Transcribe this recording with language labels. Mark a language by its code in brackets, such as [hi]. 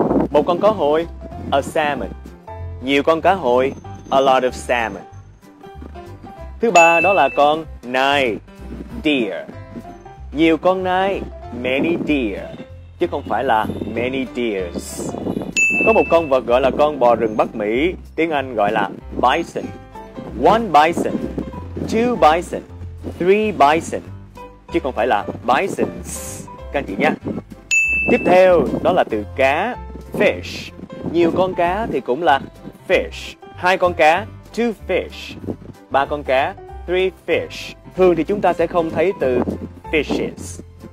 [vi] Một con cá hồi, [en] a salmon. [vi] Nhiều con cá hồi, [en] a lot of salmon. [vi] Thứ ba đó là con nai, deer. Nhiều con nai, [en] many deer. [vi] Chứ không phải là [en] many deers. [vi] Có một con vật gọi là con bò rừng Bắc Mỹ, tiếng Anh gọi là bison. [en] One bison, two bison, three bison. [vi] Chứ không phải là bisons, các anh chị nhé. Tiếp theo đó là từ cá, fish. Nhiều con cá thì cũng là fish. Hai con cá, [en] two fish. [vi] Ba con cá, [en] three fish. [vi] Thường thì chúng ta sẽ không thấy từ fishes.